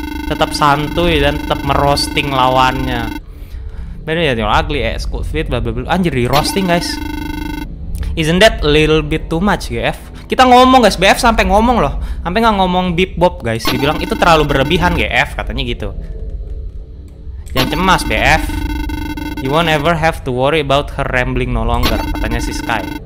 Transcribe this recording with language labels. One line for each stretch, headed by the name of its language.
Indonesian: Tetap santuy dan tetap merosting lawannya. Benar ya,
English: your ugly ass could fit bla bla bla.
Indonesian: Anjir, di roasting guys.
English: Isn't that a little bit too much, GF?
Indonesian: Kita ngomong guys, BF sampai ngomong loh. Sampai nggak ngomong Beep Bob guys. Dibilang itu terlalu berlebihan GF katanya gitu. Jangan cemas BF.
English: You won't ever have to worry about her rambling no longer
Indonesian: katanya si Sky.